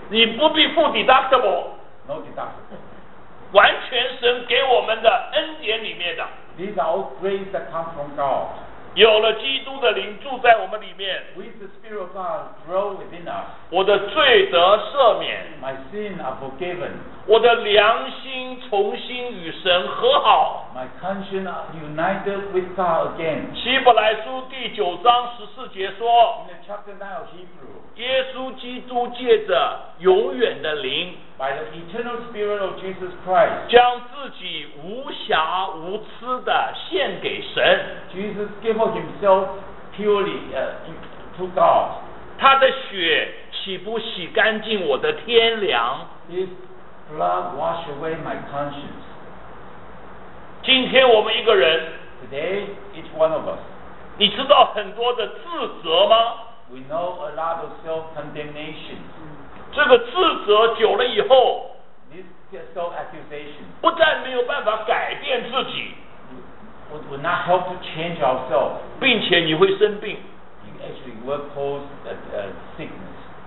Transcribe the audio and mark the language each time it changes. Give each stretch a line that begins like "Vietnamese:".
Chinese: 你不必付 deductible。
English: No deductible。
Chinese: 完全神给我们的恩典里面的。
English: These are all grace that come from God.
Chinese: 有了基督的灵住在我们里面
English: With the Spirit of God grow within us,
Chinese: 我的罪得赦免
English: My sin are forgiven,
Chinese: 我的良心重新与神和好
English: My conscience are united with God again.
Chinese: 希伯来书第九章十四节说
English: In the chapter 9 of Hebrew,
Chinese: 耶稣基督借着永远的灵
English: By the eternal Spirit of Jesus Christ,
Chinese: 将自己无瑕无疵的献给神
English: Jesus gave up himself purely, to God.
Chinese: 他的血岂不洗干净我的天良
English: His blood wash away my conscience.
Chinese: 今天我们一个人
English: Today, each one of us.
Chinese: 你知道很多的自责吗
English: We know a lot of self-condemnation.
Chinese: 这个自责久了以后
English: This self-accusation.
Chinese: 不但没有办法改变自己
English: Would not help to change ourselves.
Chinese: 并且你会生病。
English: You actually will cause sickness.